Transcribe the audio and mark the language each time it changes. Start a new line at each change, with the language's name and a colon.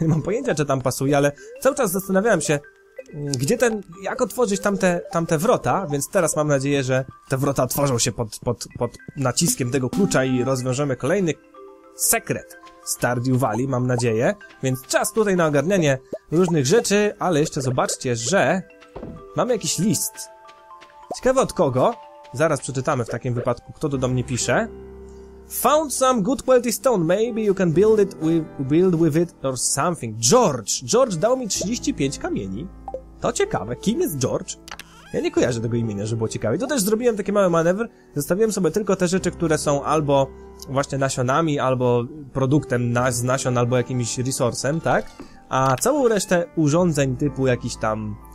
Polish: Nie mam pojęcia, czy tam pasuje, ale cały czas zastanawiałem się, gdzie ten, jak otworzyć tamte wrota, więc teraz mam nadzieję, że te wrota otworzą się pod naciskiem tego klucza i rozwiążemy kolejny sekret. Stardew Valley, mam nadzieję, więc czas tutaj na ogarnianie różnych rzeczy, ale jeszcze zobaczcie, że mam jakiś list. Ciekawe od kogo? Zaraz przeczytamy w takim wypadku, kto to do mnie pisze.
English: Found some good quality stone, maybe you can build with it or something.
Polish: George! George dał mi 35 kamieni. To ciekawe, kim jest George? Ja nie kojarzę tego imienia, żeby było ciekawie. To też zrobiłem taki mały manewr. Zostawiłem sobie tylko te rzeczy, które są albo właśnie nasionami, albo produktem z nasion, albo jakimś resursem, tak? A całą resztę urządzeń typu jakiś tam